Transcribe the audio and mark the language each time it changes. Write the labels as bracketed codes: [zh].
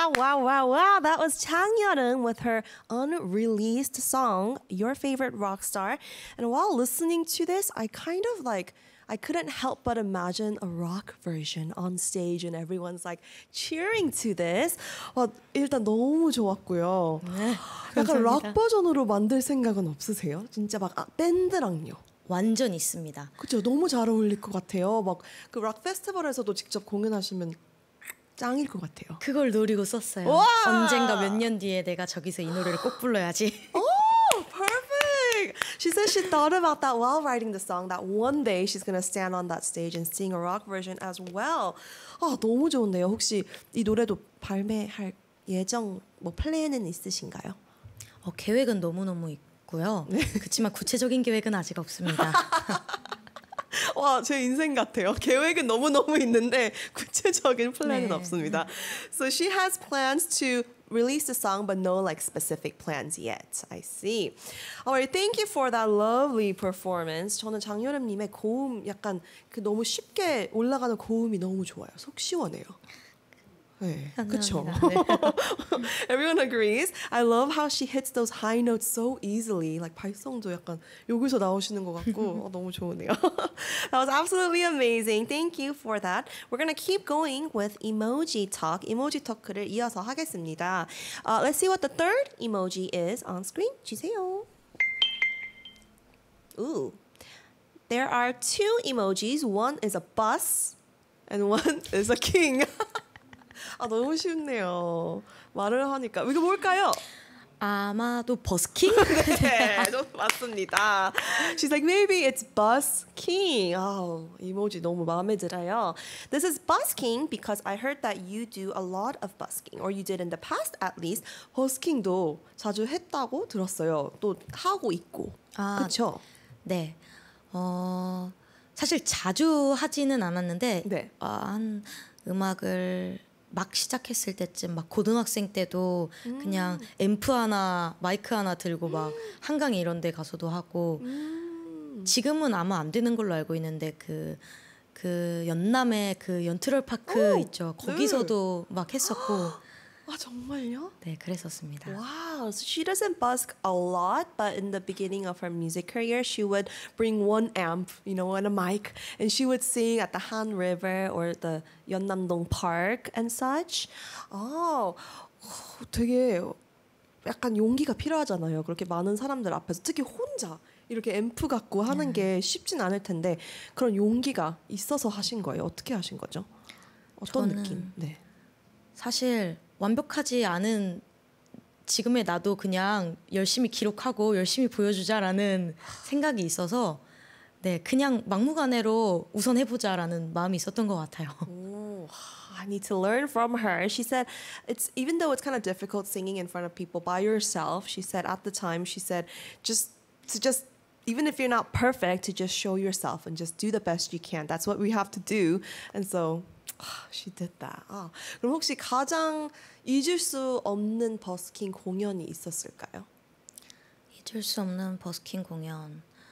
[en] Chang Yeon with her unreleased song, Your Favorite Rockstar. And while listening to this, I kind of like, I couldn't help but imagine a rock version on stage and everyone's like cheering to this. [ko] 와, 일단 너무 좋았고요. 네, 약간 록 버전으로 만들 생각은 없으세요? 진짜 막 아, 밴드랑요. 완전 있습니다. 그렇죠. 너무 잘 어울릴 것 같아요. 막 그 록 페스티벌에서도 직접 공연하시면 짱일 것 같아요. 그걸 노리고 썼어요. 와! 언젠가 몇 년 뒤에 내가 저기서 이 노래를 꼭 불러야지. 오, perfect. [en] She said she thought about that while writing the song. That one day she's gonna stand on that stage and sing a rock version as well. [ko] 아, 너무 좋은데요. 혹시 이 노래도 발매할 예정 뭐 플랜은 있으신가요? 어, 계획은 너무 너무 있고요. 네. 그렇지만 구체적인 계획은 아직 없습니다. 와, 제 인생 같아요. 계획은 너무너무 있는데 구체적인 플랜은 네. 없습니다. [en] So she has plans to release the song but no like specific plans yet. I see. Alright, thank you for that lovely performance. [ko] 저는 장유림님의 고음 약간 그 너무 쉽게 올라가는 고음이 너무 좋아요. 속 시원해요. 네, 그렇죠. 네. [en] Everyone agrees. I love how she hits those high notes so easily. [ko] Like 발성도 약간 여기서 나오시는 것 같고 어, 너무 좋네요. [en] That was absolutely amazing. Thank you for that. We're gonna keep going with emoji talk. [ko] Emoji talk를 이어서 하겠습니다. [en] Let's see what the third emoji is on screen. [ko] 주세요. [en] Ooh, there are two emojis. One is a bus, and one is a king. [ko] 아 너무 쉽네요. 말을 하니까 이거 뭘까요? 아마도 버스킹. 네, 맞습니다. [en] She's like maybe it's busking. [ko] 아 이모지 너무 마음에 들어요. [en] This is busking because I heard that you do a lot of busking, or you did in the past at least. [ko] 버스킹도 자주 했다고 들었어요. 또 하고 있고. 아, 그렇죠. 네. 어 사실 자주 하지는 않았는데 네. 아, 한 음악을 막 시작했을 때쯤 막 고등학생 때도 그냥 앰프 하나 마이크 하나 들고 막 한강 이런 데 가서도 하고 지금은 아마 안 되는 걸로 알고 있는데 그 연남에 그 연트럴 파크 있죠. 거기서도 네. 막 했었고. 아 정말요? 네, 그랬었습니다. [en] Wow. So she doesn't busk a lot, but in the beginning of her music career, she would bring one amp, you know, and a mic, and she would sing at the Han River or the Yeonnam-dong Park and such. [ko] Oh, 되게 약간 용기가 필요하잖아요. 그렇게 많은 사람들 앞에서 특히 혼자 이렇게 앰프 갖고 하는 게 쉽진 않을 텐데 그런 용기가 있어서 하신 거예요. 어떻게 하신 거죠? 어떤 느낌? 네. 사실 완벽하지 않은 지금의 나도 그냥 열심히 기록하고 열심히 보여주자라는 생각이 있어서 네 그냥 막무가내로 우선 해보자라는 마음이 있었던 것 같아요. [en] Oh, I need to learn from her. She said, "It's even though it's kind of difficult singing in front of people by yourself." She said at the time, she said, "Just." Even if you're not perfect, to just show yourself and just do the best you can. That's what we have to do. And so, she did that. 아, [ko] 그럼 혹시 가장 잊을 수 없는 버스킹 공연이 있었을까요? 잊을 수 없는 버스킹 공연.